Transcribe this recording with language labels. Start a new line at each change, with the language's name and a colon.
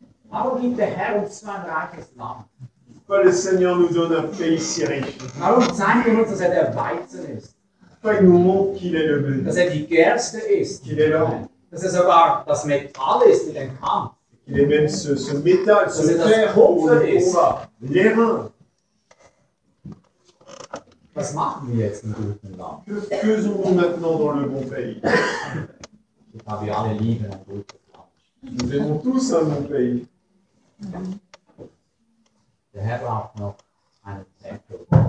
German: Warum gibt der Herr uns so ein reiches Land?
French: Pourquoi le Seigneur nous donne un pays si riche?
German: Warum zeigt er uns, dass er der Weizen ist?
French: Pourquoi il nous montre qu'il est le blé?
German: Dass er die Gerste ist.
French: Qu'il est l'or.
German: Dass er sogar das Metall ist, in den Kampf.
French: Qu'il est même ce métal, ce fer,
German: das Kupfer ist.
French: L'airain.
German: Was machen wir jetzt im guten Land?
French: Que faisons-nous maintenant dans le bon pays?
German: Ich habe alle Liebe im guten Land.
French: Nous aimons tous un bon pays.
German: Der Herr braucht noch einen Tempel.